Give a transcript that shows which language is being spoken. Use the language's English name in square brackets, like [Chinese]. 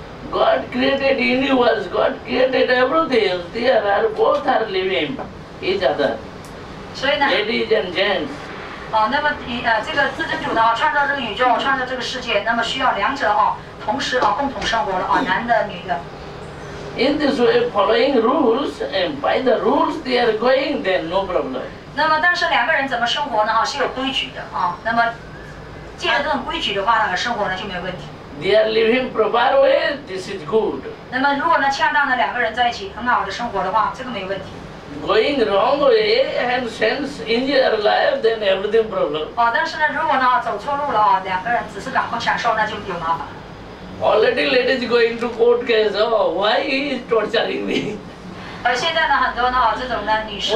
[English] God created universe, God created everything. There are both are living each other. [Chinese] 所以呢 [English] ，Ladies and gents. [Chinese] 那么这个自尊主呢创造这个宇宙，创造这个世界，那么需要两者同时共同生活了男的女的。 [English] In this way, following rules and by the rules they are going, then no problem. [Chinese] 那么，但是两个人怎么生活呢？是有规矩的那么，借着这种规矩的话呢，生活呢就没有问题。 [English] They are living proper way. This is good. [Chinese] 那么，如果呢恰当的两个人在一起很好的生活的话，这个没有问题。 [English] Going wrong way and sense in your life, then everything problem. [Chinese] 但是呢，如果呢走错路了两个人只是感官享受，那就有麻烦。 [English] Already ladies going to court case, why he is torturing me? [Chinese] 现在呢很多呢这种呢女士